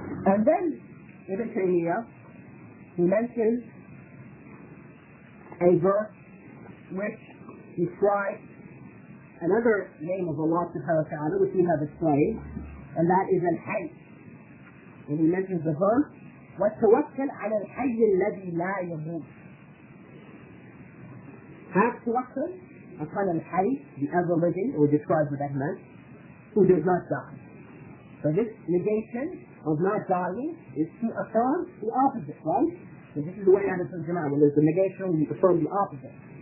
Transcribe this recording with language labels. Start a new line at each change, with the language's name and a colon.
English: And then, Ibn Taymiyyah, he mentions a verse which describes another name of Allah subhanahu wa ta'ala, which we have explained, and that is Al-Hayy. And he mentions the verse,
Arabic: وَتَوَكَّلْ عَلَى الْحَيِّ الَّذِي لَا يَمُوتُ.
English: Have tawakkal upon al-hayy, the ever-living, or described with that man, who does not die. So this negation of not dying is to affirm the opposite, right? So this is the way that it's in Jama'ah. When there's a negation, we affirm the opposite.